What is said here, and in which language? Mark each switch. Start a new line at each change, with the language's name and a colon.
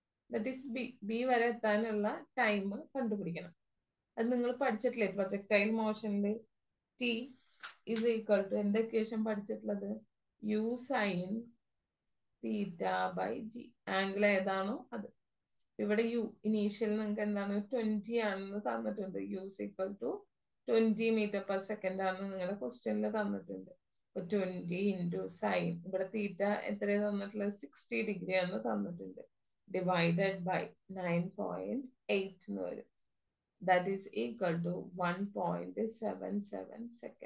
Malayalam: That is B വരെ എത്താനുള്ള time കണ്ടുപിടിക്കണം അത് നിങ്ങൾ പഠിച്ചിട്ടില്ലേ projectile മോഷനില്
English: T is equal to
Malayalam: എന്റെ ഇക്വേഷൻ പഠിച്ചിട്ടുള്ളത് U sign
English: theta by g.
Malayalam: Angle ഏതാണോ അത്. ഇവിടെ u initial നിങ്ങൾക്ക് എന്താണ് 20 ആണെന്ന് തന്നിട്ടുണ്ട്.
English: u is equal to 20 meter per second
Malayalam: ആണെന്ന് നിങ്ങളുടെ question ൽ തന്നിട്ടുണ്ട്.
English: 20 into sine.
Malayalam: ഇവിടെ theta എത്രയെ തന്നിട്ടുള്ളത്? 60 degree ആണെന്ന് തന്നിട്ടുണ്ട്.
English: Divided by 9.8
Malayalam: എന്ന് വരും.
English: That is equal to 1.77 seconds.